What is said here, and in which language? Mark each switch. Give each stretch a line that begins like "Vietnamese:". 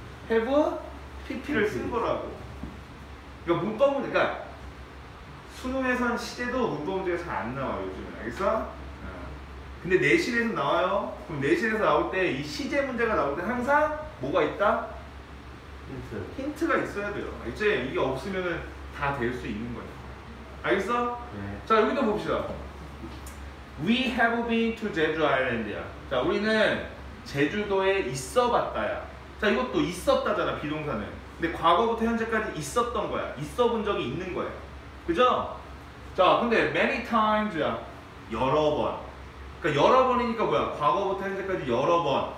Korean: have pp를 쓴 거라고. 그러니까 문법 문제, 그러니까 수능에선 시제도 문법 문제가 잘 안 나와 요즘에. 알겠어? 근데 내신에서 나와요. 그럼 내신에서 나올 때 이 시제 문제가 나올 때 항상 뭐가 있다? 힌트. 힌트가 있어야 돼요. 이제 이게 없으면은 다 될 수 있는 거야. 알겠어? 네. 자, 여기도 봅시다.
English: We have been to Jeju Island야.
Korean: 자, 우리는 제주도에 있어 봤다야. 자, 이것도 있었다잖아, 비동사는. 근데 과거부터 현재까지 있었던 거야. 있어 본 적이 있는 거야. 그죠? 자, 근데
English: many times
Korean: 야. 여러 번. 그러니까 여러 번이니까 뭐야? 과거부터 현재까지 여러 번.